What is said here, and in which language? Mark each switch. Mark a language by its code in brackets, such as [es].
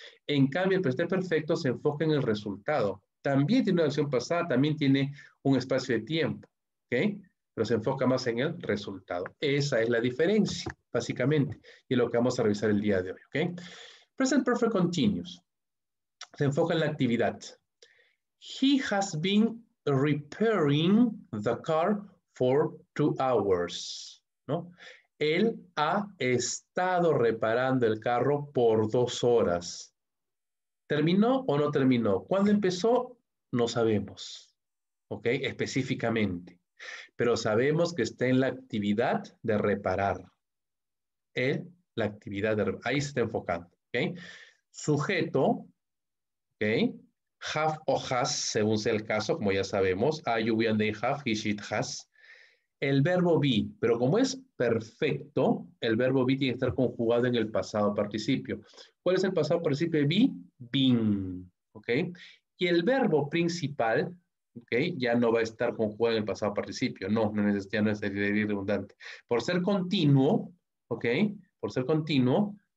[es] En cambio, el presente perfecto se enfoca en el resultado. También tiene una acción pasada, también tiene un espacio de tiempo, ¿okay? Pero se enfoca más en el resultado. Esa es la diferencia, básicamente, y es lo que vamos a revisar el día de hoy, ¿okay? [en] Present perfect continuous. [es] Se enfoca en la actividad. [en] He has been repairing the car for 2 hours, ¿no? [es] Él ha estado reparando el carro por 2 horas. ¿Terminó o no terminó? ¿Cuándo empezó? No sabemos, ¿ok? Específicamente. Pero sabemos que está en la actividad de reparar. Él, la actividad de reparar. Ahí se está enfocando, ¿ok? Sujeto. Okay. Have o has, según sea el caso, como ya sabemos. [en] I, you, we, and they have, he, she, it, has. [es] El verbo be, pero como es perfecto, el verbo be tiene que estar conjugado en el pasado participio. ¿Cuál es el pasado participio de be? Been. Okay. Y el verbo principal, okay, ya no va a estar conjugado en el pasado participio. No, no es, ya no es redundante. Por ser continuo, okay, por ser continuo.